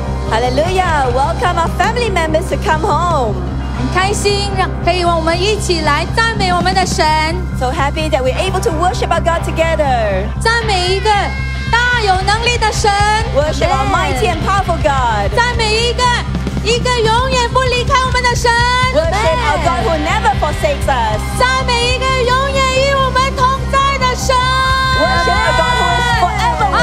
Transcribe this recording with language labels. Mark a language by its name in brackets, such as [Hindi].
[English] Hallelujah, welcome our family members to come home. [Chinese] 开心可以我们一起来赞美我们的神。 [English] So happy that we're able to worship our God together. [Chinese] 赞美一个大有能力的神。 [English] Worship our mighty and powerful God. [Chinese] 赞美一个永远不离开我们的神。 [English] Worship our God who never forsakes us. [Chinese] 赞美一个永远与我们同在的神。 [English] Worship our God who is forever with us.